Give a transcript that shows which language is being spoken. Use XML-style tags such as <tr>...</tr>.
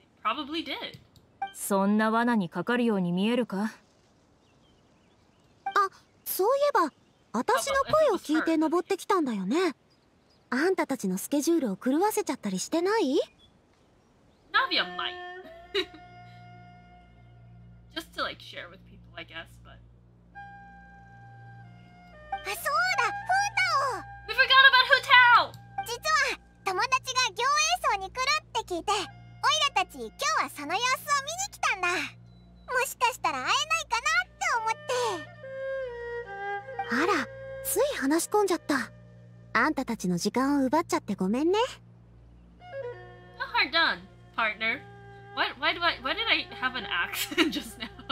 <en>It、probably did.</en> <ja>そんな罠にかかるように見えるか？あ、そういえば、私の声を聞いて登ってきたんだよね。あんたたちのスケジュールを狂わせちゃったりしてない？</ja> <en>Navia might. Just to like share with people, I guess, but.</en> <ja>あ、そうだ、フータを。</ja> <en>We forgot about Hu Tao!</en> <ja>実は、友達が行栄荘に来るって聞いて、オイラたち、今日はその様子を見に来たんだ。もしかしたら会えないかなって思って。あら、つい話し込んじゃった。あんたたちの時間を奪っちゃってごめんね。</ja> <en>How hard done, partner? Why did I have an accent just now?</en>